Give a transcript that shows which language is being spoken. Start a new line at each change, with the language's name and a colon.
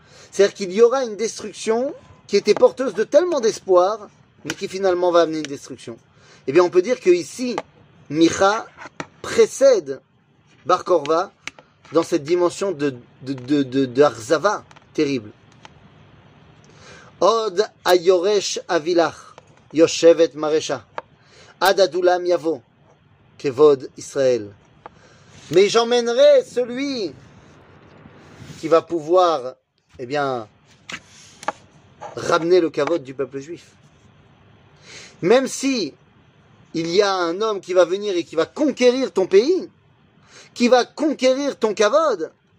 French: C'est-à-dire qu'il y aura une destruction qui était porteuse de tellement d'espoir, mais qui finalement va amener une destruction. Eh bien, on peut dire que ici, Micha précède Bar Korva dans cette dimension de Arzava terrible.
Hebrew: עוד היורש אבי לך, יושבת מרשה, עד אדולם יבוא, כבוד ישראל.
French: Mais j'emmènerai celui qui va pouvoir, eh bien, ramener le kavod du peuple juif. Même si il y a un homme qui va venir et qui va conquérir ton pays, qui va conquérir ton kavod,